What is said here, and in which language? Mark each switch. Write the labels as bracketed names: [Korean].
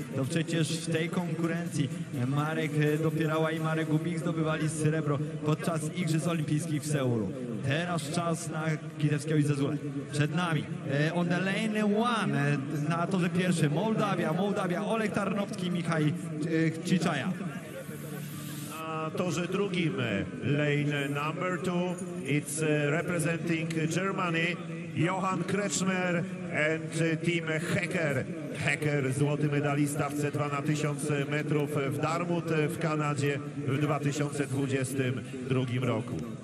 [Polish] To przecież w tej konkurencji Marek Dopierała i Marek Gubik zdobywali srebro podczas Igrzysk Olimpijskich w Seulu. Teraz czas na Kitewskiego i Zezulę. Przed nami [English] on the lane one [Polish] na torze pierwszym. Mołdawia, Olek Tarnowski, Michał Ciczaja. Na torze drugim, [English] lane number two, it's representing Germany, Johann Kretschmer and team Hecker. [Polish] Hecker, złoty medalista w C2 na 1000 metrów w Dartmouth w Kanadzie w 2022 roku.